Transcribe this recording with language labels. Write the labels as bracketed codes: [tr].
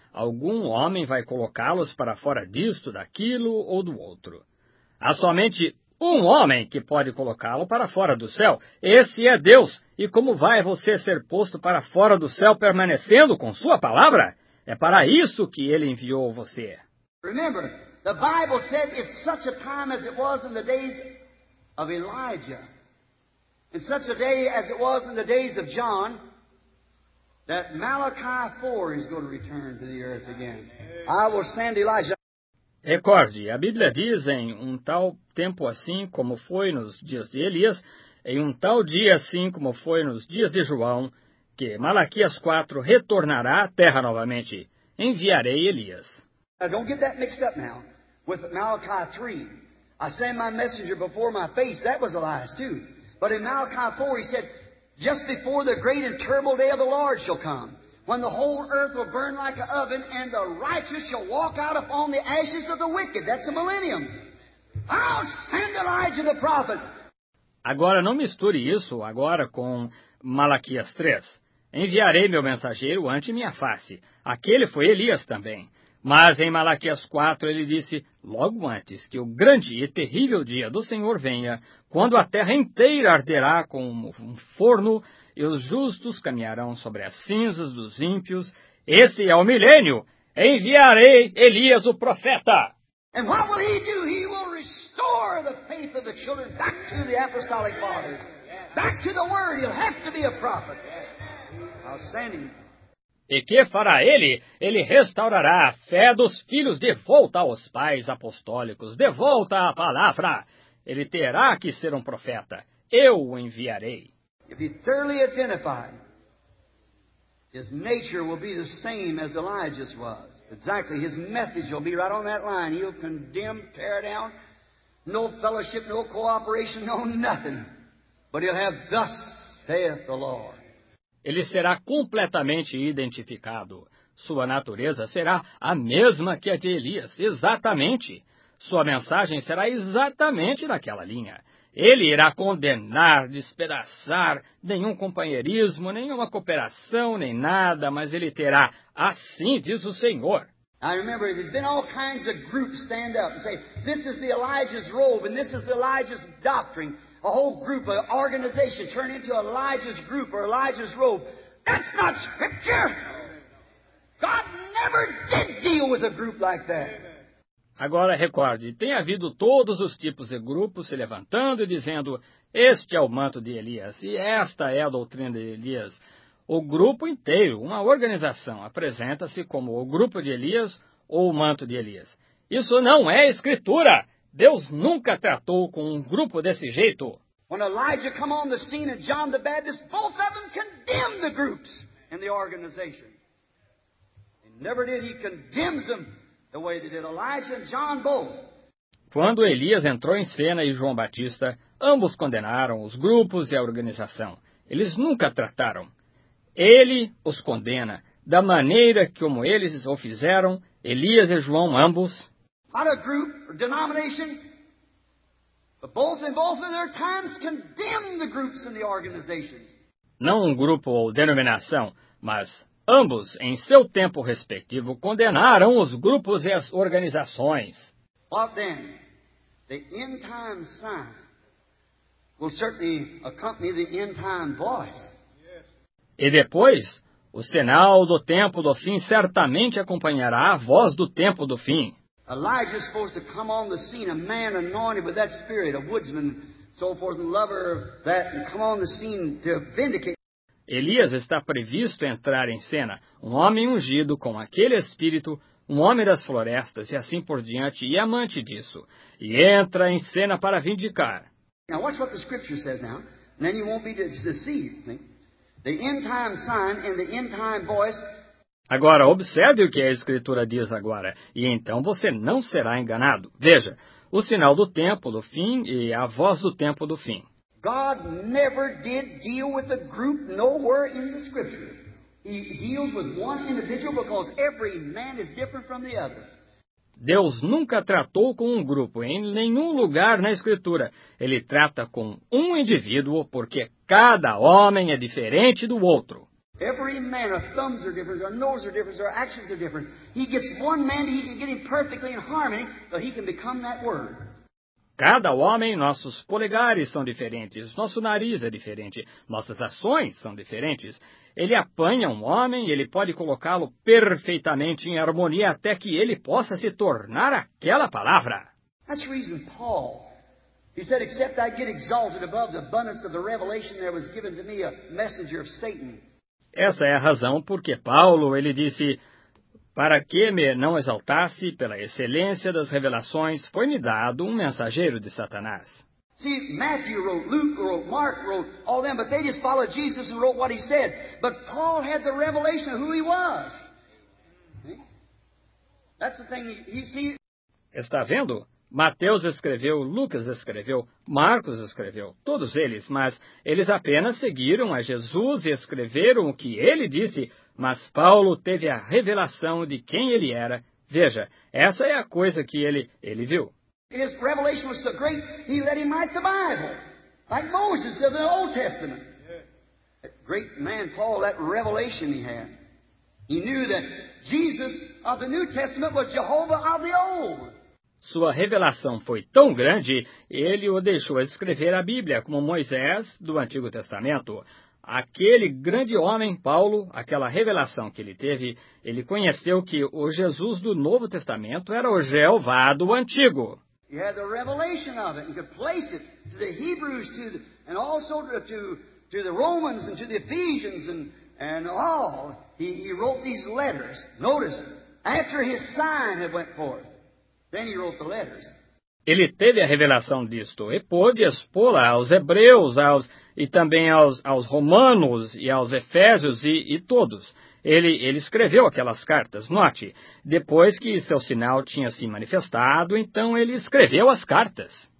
[pt] Algum homem vai colocá-los para fora disto, daquilo ou do outro. Há somente um homem que pode colocá-lo para fora do céu. Esse é Deus. E como vai você ser posto para fora do céu permanecendo com sua palavra? É para isso que ele enviou você. [en] Remember, the Bible said it's such a time as it was in the days of Elijah, in such a day as it was in the days of John, that Malachi 4 is going to return to the earth again. I will send Elijah. [pt] Recorde, a Bíblia diz em um tal tempo assim como foi nos dias de Elias, em um tal dia assim como foi nos dias de João, que Malaquias 4 retornará à terra novamente. Enviarei Elias. [en] Now don't get that mixed up now with Malachi 3. I send my messenger before my face. That was Elias too. But in Malachi 4 he said, just before the great and terrible day of the Lord shall come, when the whole earth will burn like an oven, and the righteous shall walk out upon the ashes of the wicked. That's the millennium. I'll send Elijah the prophet. [pt] Agora, não misture isso agora com Malaquias 3. Enviarei meu mensageiro ante minha face. Aquele foi Elias também. Mas em Malaquias 4, ele disse, logo antes que o grande e terrível dia do Senhor venha, quando a terra inteira arderá como um forno, e os justos caminharão sobre as cinzas dos ímpios. Esse é o milênio. Enviarei Elias o profeta. [en] And what will he do? He will restore the faith of the children back to the apostolic fathers. Back to the word. He'll have to be a prophet. I'll send him. [pt] E que fará ele? Ele restaurará a fé dos filhos de volta aos pais apostólicos. De volta à palavra. Ele terá que ser um profeta. Eu o enviarei. [en] If he's thoroughly identified, his nature will be the same as Elijah's was. Exactly. His message will be right on that line. He'll condemn, tear down, no fellowship, no cooperation, no nothing. But he'll have, thus saith the Lord. [pt] Ele será completamente identificado. Sua natureza será a mesma que a de Elias, exatamente. Sua mensagem será exatamente naquela linha. Ele irá condenar, despedaçar, nenhum companheirismo, nenhuma cooperação, nem nada, mas ele terá, assim diz o Senhor. [en] I remember there's been all kinds of groups stand up and say, this is the Elijah's robe and this is the Elijah's doctrine. A whole group, an organization turn into Elijah's group or Elijah's robe. That's not scripture. God never did deal with a group like that. [pt] Agora recorde, tem havido todos os tipos de grupos se levantando e dizendo, este é o manto de Elias e esta é a doutrina de Elias. O grupo inteiro, uma organização, apresenta-se como o grupo de Elias ou o manto de Elias. Isso não é escritura. Deus nunca tratou com um grupo desse jeito. [en] When Elijah came on the scene and John the Baptist, both of them condemned the groups and the organization. And never did he condemn them the way they did Elijah and John both. [pt] Quando Elias entrou em cena e João Batista, ambos condenaram os grupos e a organização. Eles nunca trataram. Ele os condena, da maneira como eles o fizeram, Elias e João, ambos. [en] Not a group or denomination, but both in both of their times condemned the groups and the organizations. [pt] Não um grupo ou denominação, mas ambos, em seu tempo respectivo, condenaram os grupos e as organizações. [en] But then, the end time sign will certainly accompany the end time voice. [pt] E depois, o sinal do tempo do fim certamente acompanhará a voz do tempo do fim. [en] Elijah is supposed to come on the scene, a man anointed with that spirit, a woodsman, so forth, and lover of that, and come on the scene to vindicate. [pt] Elias está previsto entrar em cena, um homem ungido com aquele espírito, um homem das florestas e assim por diante, e amante disso. E entra em cena para vindicar. [en] Now watch what the scripture says now, and then you won't be deceived. The end time sign and the end time voice. [pt] Agora, observe o que a Escritura diz agora, e então você não será enganado. Veja, o sinal do tempo do fim e a voz do tempo do fim. [en] God never did deal with a group nowhere in the Scripture. He deals with one individual because every man is different from the other. [pt] Deus nunca tratou com um grupo em nenhum lugar na Escritura. Ele trata com um indivíduo porque cada homem é diferente do outro. [en] Every man, our thumbs are different, our nose are different, our actions are different. He gets one man, he can get him perfectly in harmony, so he can become that word. [pt] Cada homem, nossos polegares são diferentes, nosso nariz é diferente, nossas ações são diferentes. Ele apanha um homem e ele pode colocá-lo perfeitamente em harmonia até que ele possa se tornar aquela palavra. [en] That's the reason Paul, he said, except I get exalted above the abundance of the revelation there was given to me a messenger of Satan. [pt] Essa é a razão porque Paulo, ele disse, para que me não exaltasse pela excelência das revelações, foi-me dado um mensageiro de Satanás. [en] See, Matthew wrote, Luke wrote, Mark wrote, all them, but they just followed Jesus and wrote what he said. But Paul had the revelation of who he was. That's the thing, you see. [pt] Está vendo? Mateus escreveu, Lucas escreveu, Marcos escreveu, todos eles, mas eles apenas seguiram a Jesus e escreveram o que ele disse, mas Paulo teve a revelação de quem ele era. Veja, essa é a coisa que ele viu. [en] His revelation was so great, he let him write the Bible, like Moses of the Old Testament. That great man Paul, that revelation he had. He knew that Jesus of the New Testament was Jehovah of the Old. [pt] Sua revelação foi tão grande, ele o deixou escrever a Bíblia, como Moisés, do Antigo Testamento. Aquele grande homem, Paulo, aquela revelação que ele teve, ele conheceu que o Jesus do Novo Testamento era o Jeová do Antigo. [en] He had the revelation of it, and could place it to the Hebrews, to the, and also to the Romans, and to the Ephesians, and all. He wrote these letters. Notice, after his sign had went forth. Then he wrote the letters. [pt] Ele teve a revelação disto e pôde expô-la aos hebreus e também aos romanos e aos efésios e todos. Ele escreveu aquelas cartas. Note, depois que seu sinal tinha se manifestado, então ele escreveu as cartas.